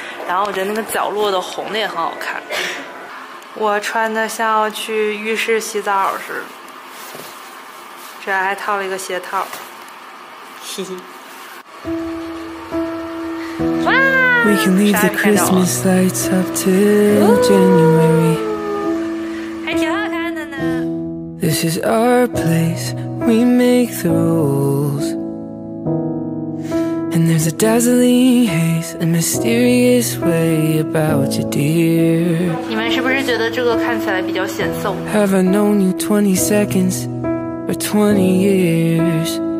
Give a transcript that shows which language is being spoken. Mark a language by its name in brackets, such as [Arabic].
[Chinese] 然后我觉得那个角落的红的也很好看，我穿的像去浴室洗澡似的，这还套了一个鞋套，嘿嘿。哇，啥也看到了，还挺好看的呢。 [English] This is our place, we make the rules. And there's a dazzling haze, a mysterious way about you, dear. [Chinese] 你们是不是觉得这个看起来比较显瘦？ [English] Have I known you 20 seconds or 20 years?